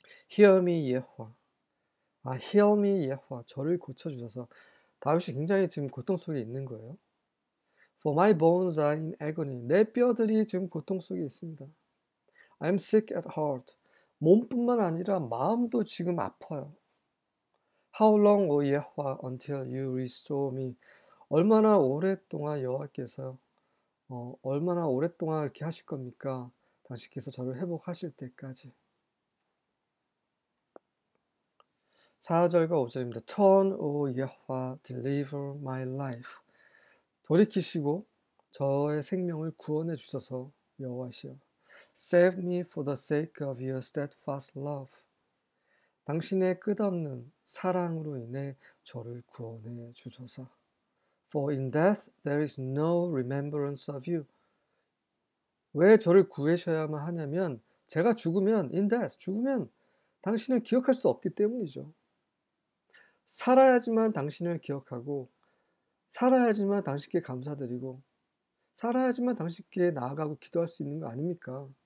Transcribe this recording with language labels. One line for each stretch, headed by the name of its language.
English: Hear me, Yehovah. heal me, Yehovah.
Korean: 저를 고쳐주셔서 다윗이 굉장히 지금 고통 속에 있는 거예요.
English: For my bones are in agony.
Korean: 내 뼈들이 지금 고통 속에 있습니다.
English: I'm sick at heart.
Korean: 몸뿐만 아니라 마음도 지금 아파요.
English: How long, O Yahweh, until you restore me?
Korean: 얼마나 오랫동안 여호와께서 얼마나 오랫동안 이렇게 하실 겁니까? 당신께서 저를 회복하실 때까지. 4절과 5절입니다.
English: Turn, O Yahweh, deliver my life.
Korean: 돌이키시고 저의 생명을 구원해 주소서, 여호와시여.
English: Save me for the sake of your steadfast love.
Korean: 당신의 끝없는 사랑으로 인해 저를 구원해 주소서.
English: For in death there is no remembrance of you.
Korean: 왜 저를 구해셔야만 하냐면 제가 죽으면
English: in death
Korean: 죽으면 당신을 기억할 수 없기 때문이죠. 살아야지만 당신을 기억하고, 살아야지만 당신께 감사드리고, 살아야지만 당신께 나아가고 기도할 수 있는 거 아닙니까?